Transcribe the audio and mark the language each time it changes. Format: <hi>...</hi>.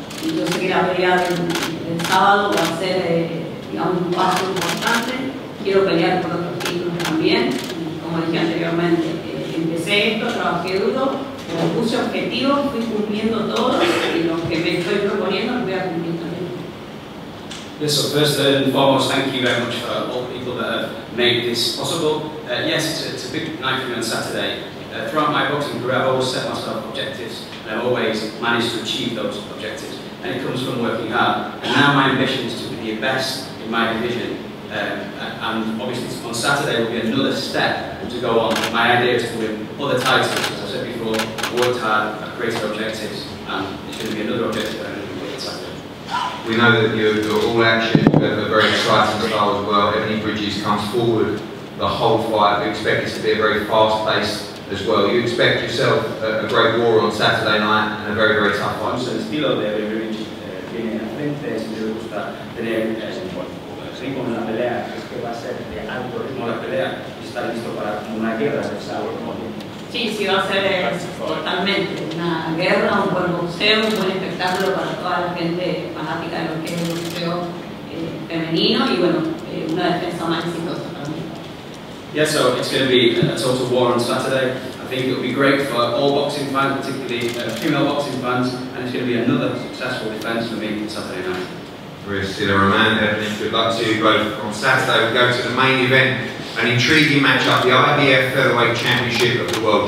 <es>Y yo sé que la pelea del sábado va a ser, digamos, un paso importante. Quiero pelear por otros títulos también. Como dije anteriormente, empecé esto, trabajé duro, me puse objetivos, fui cumpliendo todos y lo que me estoy proponiendo lo voy a cumplir también.</es> <en>Yes, so first and foremost, thank you very much for all the people that have made this possible. Yes, it's a big night for me on Saturday. Throughout my boxing career, I've always set myself objectives, and I've always managed to achieve those objectives. And it comes from working hard. And now my ambition is to be the best in my division. And obviously, on Saturday will be another step to go on. My idea is to win other titles. As I said before, I've worked hard, I've created objectives, and it's going to be another objective that I'm going to win Saturday. We know that you're all action, you have a very exciting style as well. Ebony Bridges comes forward the whole fight. We expect this to be a very fast paced as well. You expect yourself a great war on Saturday night and a very, very tough fight.</en> <es>So el estilo de Ebony Bridges viene al frente, es que me gusta tener un ritmo en la pelea, es que va a ser de alto ritmo la pelea y está listo para una guerra de sabor. Sí, va a ser totalmente una guerra, un buen boxeo, un buen espectáculo para toda la gente fanática de lo que es el boxeo femenino y bueno, una defensa más exitosa.</es> <en>Yeah, so it's going to be a total war on Saturday. I think it'll be great for all boxing fans, particularly female boxing fans, and it's going to be another successful defence for me on Saturday night. Priscilla Roman, Evelyn, good luck to you both. On Saturday, we go to the main event, an intriguing matchup, the IBF Featherweight Championship of the World.</en>